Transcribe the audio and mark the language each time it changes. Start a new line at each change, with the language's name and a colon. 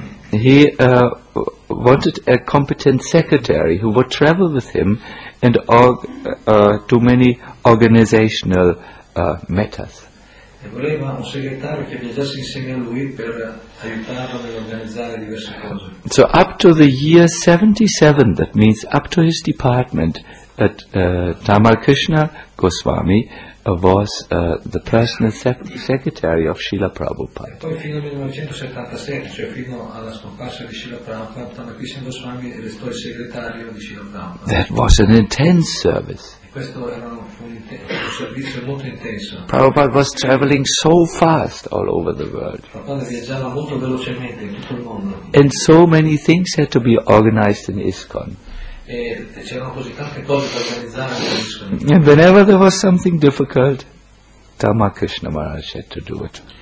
English: He wanted a competent secretary who would travel with him and do many organizational matters.
Italian: E voleva un segretario che viaggiasse insieme a lui per aiutarlo nell'organizzare diverse cose.
English: So up to the year 77, that means up to his department, that Tamakrishna Goswami was the personal secretary of Srila Prabhupada.
Italian: E poi fino al 1976, cioè fino alla scomparsa di Srila Prabhupada, Tamakrishna Goswami restò il segretario di Srila Prabhupada.
English: That was an intense service.
Italian: Un servizio molto intenso.
English: Prabhupada was traveling so fast all over the world.
Italian: Prabhupada viaggiava molto velocemente in tutto il mondo.
English: And so many things had to be organized in ISKCON.
Italian: E c'erano così tante cose da organizzare in ISKCON.
English: And whenever there was something difficult, Tamakrishna Maharaj had to do it.